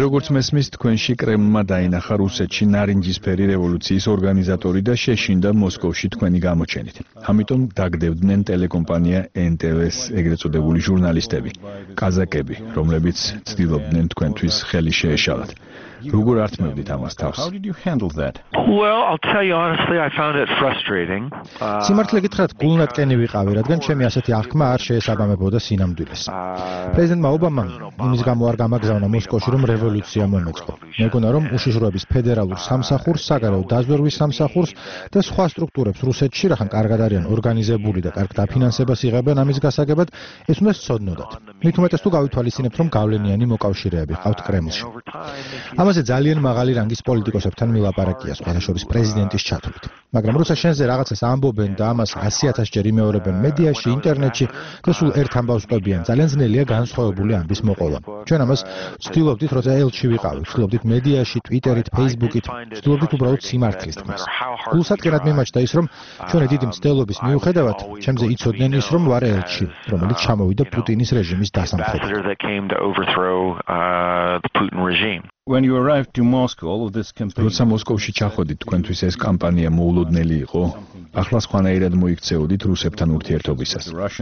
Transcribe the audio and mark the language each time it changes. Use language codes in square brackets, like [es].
[ka] როგორც მესმის, თქვენში კრემლმა დაინახა რუსეთში ნარინჯისფერი რევოლუციის ორგანიზატორი და შეშინდა მოსკოვში თქვენი გამოჩენით. ამიტომ დაგდევდნენ ტელეკომპანია NTV-ს ეგრეთ წოდებული ჟურნალისტები, კაზაკები, რომლებიც ცდილობდნენ თქვენთვის ხელი შეეშალათ. როგორ ართმევდით ამას თავს? [en] Well, I'll tell you honestly, I found it frustrating. [ka] სიმართლე გითხრათ, გულნატკენი ვიყავი, რადგან ჩემი ასეთი აღქმა არ შეესაბამებოდა სინამდვილეს. პრეზიდენტმა ობამამ იმის გამო არ გამაგზავნა მოსკოვში, რომ რევოლუცია მომეწყო. მეგონა, რომ უშიშროების ფედერალურ სამსახურს, საგარეო დაზვერვის სამსახურს და სხვა სტრუქტურებს რუსეთში, რახან კარგად არიან ორგანიზებული და კარგ დაფინანსებას იღებენ ამის გასაგებად, ეს უნდა სწოდნოდათ. მით უმეტეს თუ გავითვალისწინებთ, რომ გავლენიანი მოკავშირეები ყავთ კრემლში. ამაზე ძალიან მაღალი რანგის პოლიტიკოსებთან მილაპარაკია სხვადასხვა პრეზიდენტის ჩათვლით. მაგრამ როცა შენზე რაღაცას ამბობენ და ამას 100,000-ჯერ იმეორებენ მედიაში, ინტერნეტში და სულ ერთ ამბავს ყვებიან, ძალიან ძნელია განსხვავებული ამბის მოყოლა. ჩვენ ამას ვცდილობდით, როცა ელჩი ვიყავით, ვცდილობდით მედიაში, ტვიტერით, ფეისბუქით, ვცდილობდით უბრალოდ სიმართლის თქმას. გულსატკერად მიმაჩნდა ის, რომ ჩვენი დიდი მცდელობის მიუხედავად, ჩემზე იცოდნენ ის, რომ ვარ ელჩი, რომელიც ჩამოვიდა პუტინის რეჟიმის დასამხობად. [en] When you arrived to Moscow, all of this campaign. [ka] როცა მოსკოვში ჩახოდით, თქვენთვის ეს კამპანია მოულოდნელი იყო. ახლა სხვანაირად მოიქცეოდით რუსებთან ურთიერთობისას.